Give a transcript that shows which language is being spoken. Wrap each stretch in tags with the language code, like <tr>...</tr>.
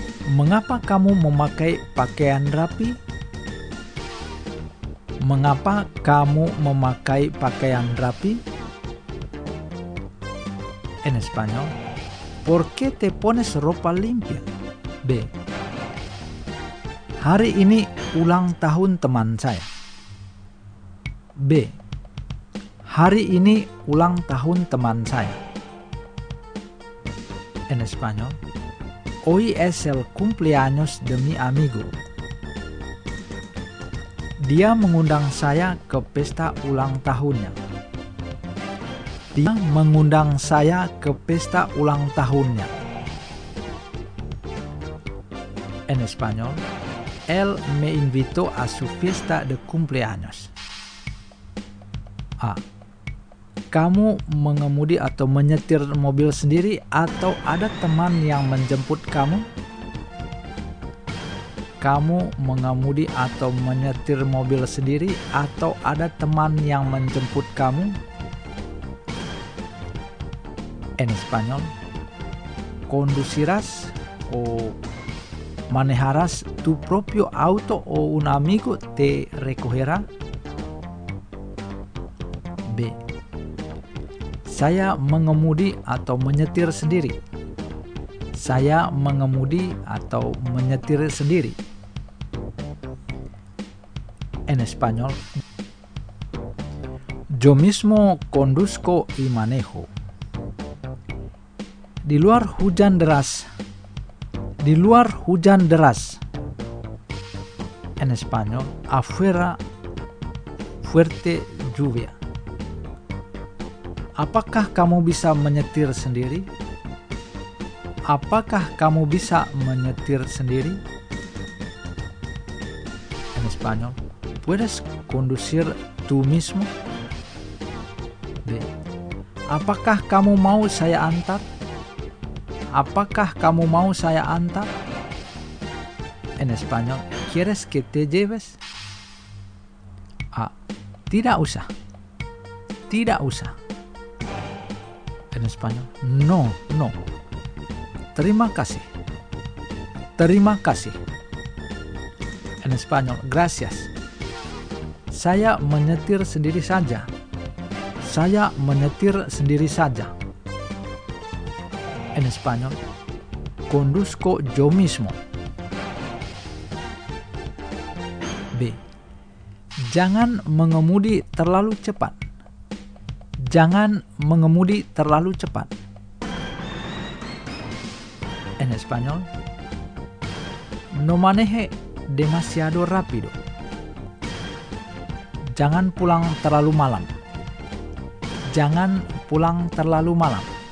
<id>¿Mengapa kamu memakai pakaian rapi? ¿Mengapa kamu memakai pakaian rapi?</id> <es>En español, ¿por qué te pones ropa limpia? B.</es> <id>Hari ini ulang tahun teman saya. B. Hari ini ulang tahun teman saya.</id> <es>En español, hoy es el cumpleaños de mi amigo.</es> <id>Dia mengundang saya ke pesta ulang tahunnya. Dia mengundang saya ke pesta ulang tahunnya.</id> <es>En español, él me invitó a su fiesta de cumpleaños. A.</es> <id>Kamu mengemudi atau menyetir mobil sendiri atau ada teman yang menjemput kamu? Kamu mengemudi atau menyetir mobil sendiri atau ada teman yang menjemput kamu?</id> <es>En español, conducirás o manejarás tu propio auto o un amigo te recogerá? B.</es> <id>Saya mengemudi atau menyetir sendiri. Saya mengemudi atau menyetir sendiri.</id> <es>En español, yo mismo conduzco y manejo.</es> <id>Di luar hujan deras, Di luar hujan deras.</id> <es>En español, afuera fuerte lluvia.</es> <id>Apakah kamu bisa menyetir sendiri? Apakah kamu bisa menyetir sendiri?</id> <es>En español, ¿puedes conducir tú mismo? B.</es> <id>Apakah kamu mau saya antar? Apakah kamu mau saya antar?</id> <es>En español, ¿quieres que te lleves? A.</es> <id>Tidak usah. Tidak usah.</id> <es>En español, no, no.</es> <id>Terima kasih. Terima kasih.</id> <es>En español, gracias.</es> <id>Saya menyetir sendiri saja. Saya menyetir sendiri saja.</id> <es>En español, conduzco yo mismo. B.</es> <id>Jangan mengemudi terlalu cepat. Jangan mengemudi terlalu cepat.</id> <es>En español, no maneje demasiado rápido.</es> <id>Jangan pulang terlalu malam. Jangan pulang terlalu malam.</id>